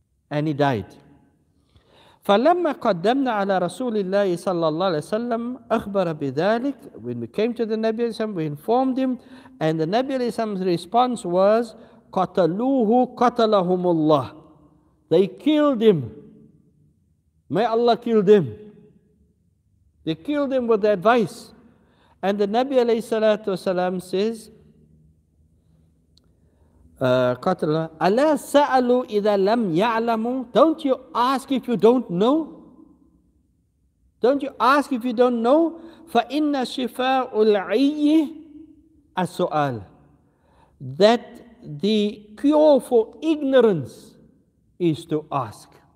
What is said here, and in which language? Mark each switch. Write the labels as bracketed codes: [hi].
[en] And he died. [ar] فَلَمَّا قَدَّمْنَا عَلَى رَسُولِ اللَّهِ صَلَّى اللَّهِ عَلَيْهِ وَسَلَّمْ أَخْبَرَ بِذَلِكَ. [en] When we came to the Nabi, we informed him, and the Nabi's response was, [ar] قَتَلُوهُ قَتَلَهُمُ اللَّهِ. [en] They killed him. May Allah kill them. They killed him with the advice. And the Nabi says, [ar] قَتَلَ أَلَا سَأَلُوا إِذَا لَمْ يَعْلَمُوا. [en] Don't you ask if you don't know? Don't you ask if you don't know? [ar] فَإِنَّ شِفَاءُ الْعِيِّ السؤال. [en] That the cure for ignorance is to ask.